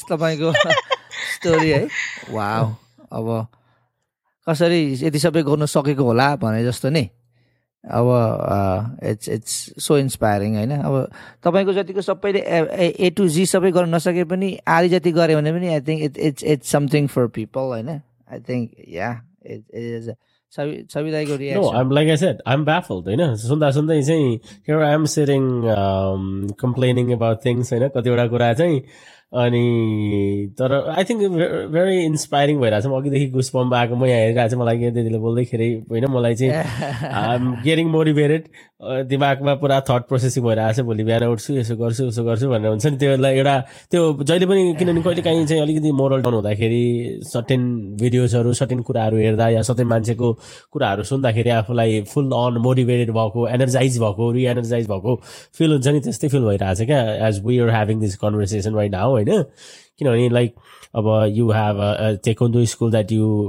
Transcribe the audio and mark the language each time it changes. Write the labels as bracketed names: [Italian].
[Nepali] तपाईँको स्टोरी है वाओ अब कसरी यति सबै गर्नु सकेको होला भने जस्तो नि अब [English] it's so inspiring [Nepali] होइन अब तपाईँको जतिको सबैले ए टु जी सबै गर्न नसके पनि आधी जति गऱ्यो भने पनि [English] I think it it's it's something for people [Nepali] होइन [English] I think yeah it is [Nepali] छवि दाईको reaction [English] no I am like I said I am baffled [Nepali] होइन सुन्दा सुन्दै चाहिँ [English] here I am sitting complaining about things [Nepali] होइन कतिवटा कुरा चाहिँ अनि तर आई थिङ्क भेरी इन्सपाइरिङ भइरहेको छ, म अघिदेखि गुस पम्प आएको, म यहाँ हेरिरहेको छु, मलाई दिदीले बोल्दैखेरि होइन मलाई चाहिँ [English] I am getting motivated, [Nepali] दिमागमा पुरा थट प्रोसेसिङ भइरहेको छ, भोलि बिहान उठ्छु यसो गर्छु उसो गर्छु भनेर हुन्छ नि त्यसलाई एउटा त्यो जहिले पनि, किनभने कहिले काहीँ चाहिँ अलिकति मोरल डाउन हुँदाखेरि सर्टेन भिडियोजहरू सर्टेन कुराहरू हेर्दा या सर्टेन मान्छेको कुराहरू सुन्दाखेरि आफूलाई फुल अन मोटिभेटेड भएको, एनर्जाइज भएको, रिएनर्जाइज भएको फिल हुन्छ नि, त्यस्तै फिल भइरहेको छ क्या [English] as we are having this conversation right now [Nepali] होइन, किनभने लाइक अब [English] you have taekwondo school that you